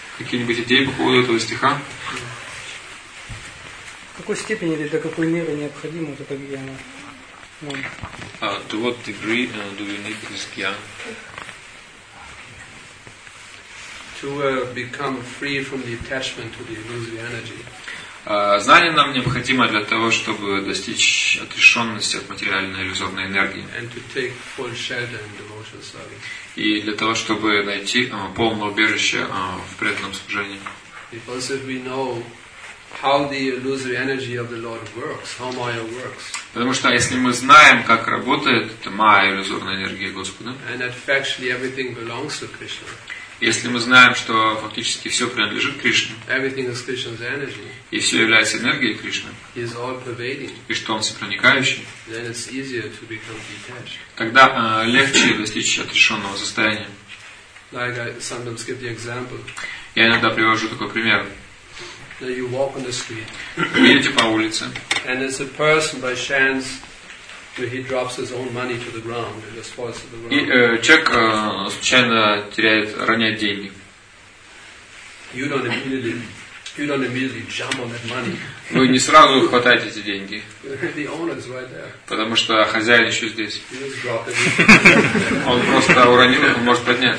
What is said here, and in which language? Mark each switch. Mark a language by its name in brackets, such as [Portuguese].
[Russian] Какие-нибудь идеи по поводу этого стиха? В какой степени или до какой меры необходимо это гьяна? [English] To what degree do you need this gyan? become free from the attachment to the illusory energy. [Russian] Знание нам необходимо для того, чтобы достичь отрешенности от материальной иллюзорной энергии. [English] And to take full shelter in devotional service. [Russian] И для того, чтобы найти полное убежище в преданном служении. [English] Because if we know how the illusory energy of the Lord works, how Maya works. [Russian] Потому что если мы знаем, как работает эта Майя, иллюзорная энергия Господа. [English] And that factually everything belongs to Krishna. [Russian] Если мы знаем, что фактически все принадлежит Кришне, [English] everything is Krishna's energy, [Russian] и все является энергией Кришны, [English] is all pervading, [Russian] и что Он всепроникающий, [English] then it's easier to become detached. [Russian] Тогда легче достичь отрешенного состояния. [English] Like I sometimes give the example. [Russian] Я иногда привожу такой пример. [English] That you walk on the street. [Russian] Вы идете по улице, [English] and it's a person by chance. He drops his own money to the ground and just falls to the ground. [Russian] И человек случайно теряет, роняет деньги. [English] You don't immediately jump on that money. [Russian] Вы не сразу хватаете эти деньги. [English] The owner's right there. [Russian] Потому что хозяин еще здесь. [English] You just drop it. [Russian] Он просто уронил, он может поднять.